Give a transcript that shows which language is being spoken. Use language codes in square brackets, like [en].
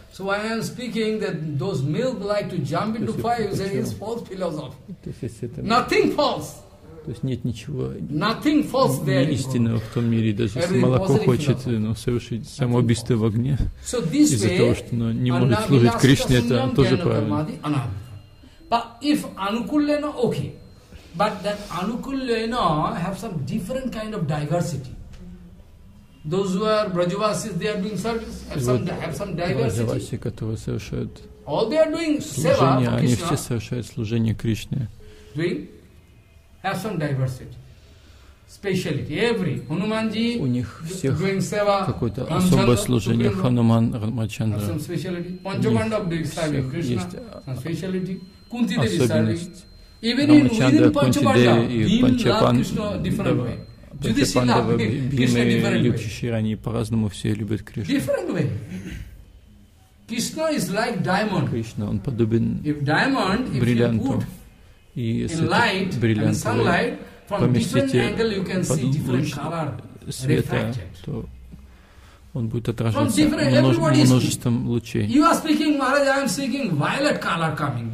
[en] So I am speaking that those milk like to jump into fire is a false philosophy. Nothing false. [ru] То есть нет ничего. [en] Nothing false there. [ru] Неистинного в том мире, даже если молоко хочет, но совершить самоубийство в огне из-за того, что оно не может служить Кришне, это тоже правильно. [en] But if anukulena, okay. But that anukulena have some different kind of diversity. Those who are Brajavasis, they are doing service, have some diversity. All they are doing [ru] служение, [en] seva, [ru] Они все совершают служение Кришне. [en] Doing? Have some diversity. Speciality. Every. Хануманджи. [ru] У них всех какое-то особое служение. Хануман Рамачандра. [en] Have some speciality. Панчаманда doing service Krishna. Some speciality. Кунти Деви [ru] особенность. [en] Even in within Панчаманда, Панчапан, Love Krishna different way. [ru] Панчапандава, Бхима и Юджи Ширани по-разному все любят Кришну. [en] Different way. Krishna is like diamond. [ru] Кришна, он подобен [en] diamond, [ru] бриллианту. И если бриллиант поместите под луч света, то он будет отражаться множеством лучей. [en] You are speaking, Maharaj, I am speaking violet color coming.